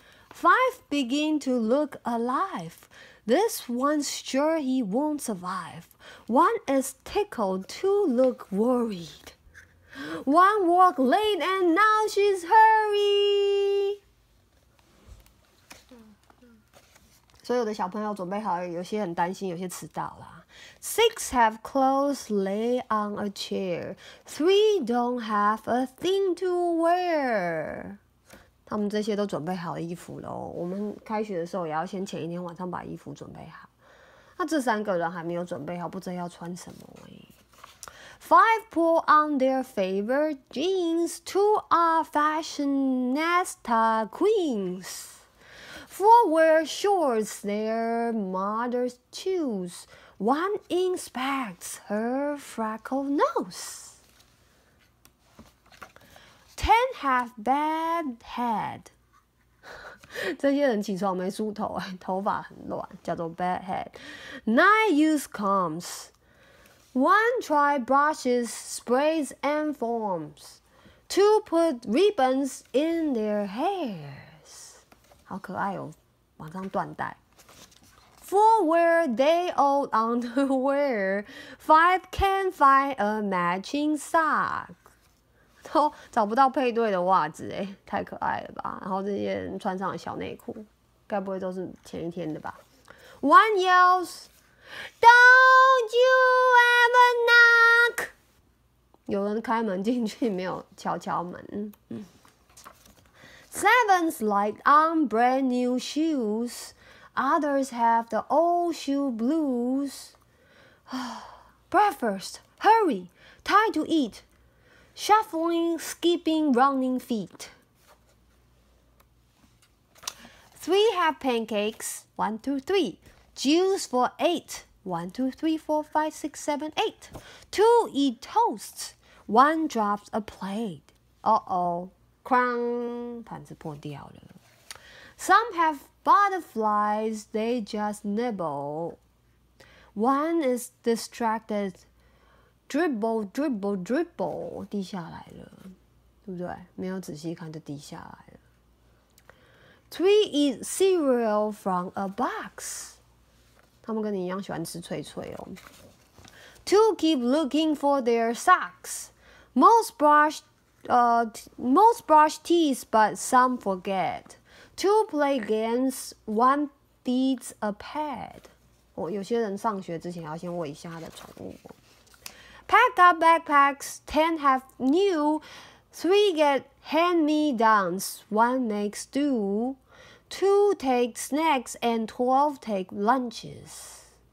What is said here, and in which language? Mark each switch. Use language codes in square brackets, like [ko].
[en] Five begin to look alive. This one's sure he won't survive. One is tickled, two look worried. One walk late and now she's hurried. [zh] 所有的小朋友准备好了，有些很担心，有些迟到了。 [en] Six have clothes lay on a chair. Three don't have a thing to wear. [zh] 他们这些都准备好衣服了哦。我们开学的时候也要先前一天晚上把衣服准备好。那这三个人还没有准备好，不知道要穿什么哎。 [en] Five pull on their favorite jeans. Two are fashionista queens. Four wear shorts their mothers choose. One inspects her freckled nose. Ten have bad head. [zh] 这些人起床没梳头，头发很乱，叫做 [en] bad head. Nine use combs. One try brushes, sprays, and foams. Two put ribbons in their hairs. [zh] 好可爱哦，往上缎带。 [en] Four wear day old underwear. Five can't find a matching sock. [zh] 找不到配对的袜子哎，太可爱了吧！然后这些人穿上了小内裤，该不会都是前一天的吧 ？ [en] One yells, "Don't you ever knock!" [zh] 有人开门进去，没有敲敲门。 [en] Seven's light on brand new shoes. Others have the old shoe blues. Breakfast, hurry, time to eat. Shuffling, skipping, running feet. Three have pancakes, 1, 2, 3. Juice for 8, 1, 2, 3, 4, 5, 6, 7, 8. Two eat toast, one drops a plate. [zh] Uh-oh, 哐，盘子破掉了。 [en] Some have butterflies, they just nibble. One is distracted, dribble, dribble, dribble. [zh] 滴下来了，对不对？没有仔细看就滴下来了。 [en] Three eat cereal from a box. [zh] 他们跟你一样喜欢吃脆脆哦。 [en] Two keep looking for their socks. Most brush teeth, but some forget. Two play games, one feeds a pet. [zh] 哦，有些人上学之前要先喂一下他的宠物。 [en] Pack up backpacks, ten have new. Three get hand-me-downs, one makes do. Two take snacks, and 12 take lunches.